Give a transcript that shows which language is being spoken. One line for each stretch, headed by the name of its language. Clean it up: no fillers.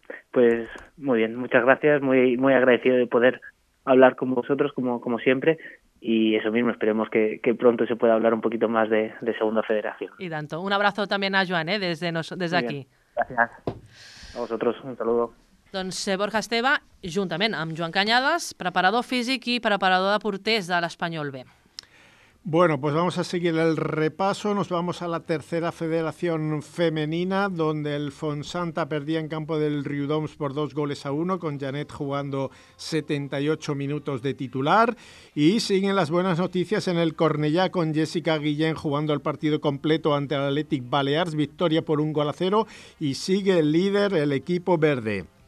Spanish: Pues muy bien, muchas gracias, muy muy agradecido de poder hablar con vosotros como siempre, y eso mismo, esperemos que pronto se pueda hablar un poquito más de Segunda Federación. Y tanto, un abrazo también a Joan, desde aquí. Gracias a vosotros, un saludo.
Catalan: Doncs Borja Esteve, juntament amb Joan Cañadas, preparador físic i preparador de porters de l'Espanyol B.
Spanish: Bueno, pues vamos a seguir el repaso. Nos vamos a la tercera federación femenina, donde el Fontsanta perdía en campo del Riudoms por 2-1, con Janet jugando 78 minutos de titular. Y siguen las buenas noticias en el Cornellà, con Jessica Guillén jugando el partido completo ante el Athletic Balears, victoria por 1-0, y sigue el líder el equipo verde.